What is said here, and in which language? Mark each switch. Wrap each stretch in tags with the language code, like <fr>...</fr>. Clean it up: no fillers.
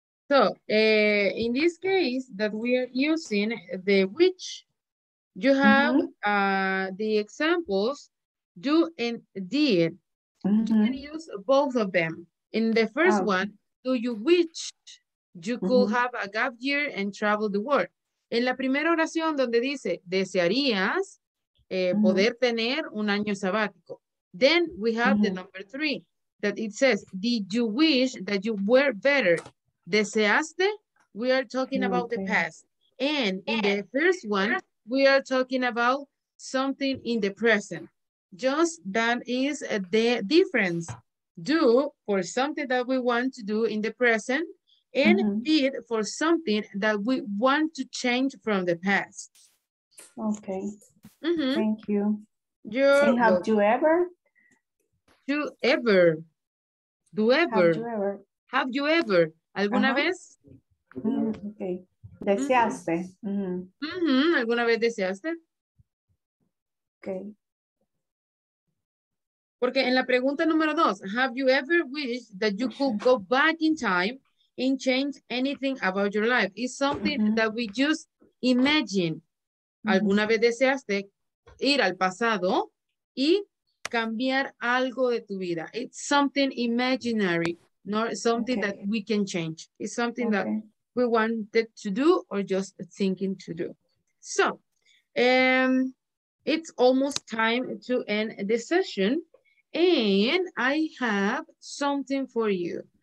<en>So, in this case that we are using the which, you have the examples do and did. Mm-hmm. You can use both of them. In the first one, do you wish you could have a gap year and travel the world?</en> <es>En la primera oración donde dice, desearías poder tener un año sabático.</es> <en>Then we have the number three, that it says, did you wish that you were better?</en> <es>¿Deseaste?</es> <en>We are talking about the past. And in the first one, we are talking about something in the present. Just that is the difference. Do for something that we want to do in the present and did for something that we want to change from the past. Okay. Mm-hmm. Thank you. You're have to ever? To ever. Do ever. Have you ever?</en> <es>¿Alguna vez? Okay. ¿Deseaste? ¿Alguna vez deseaste?</es> <en>Okay.</en> <es>Porque en la pregunta número dos,</es> <en>have you ever wished that you could go back in time and change anything about your life? It's something that we just imagine.</en> <es>¿Alguna vez deseaste ir al pasado y cambiar algo de tu vida?</es> <en>It's something imaginary, not something that we can change. It's something that we wanted to do or just thinking to do. So, it's almost time to end the session. And I have something for you.</en>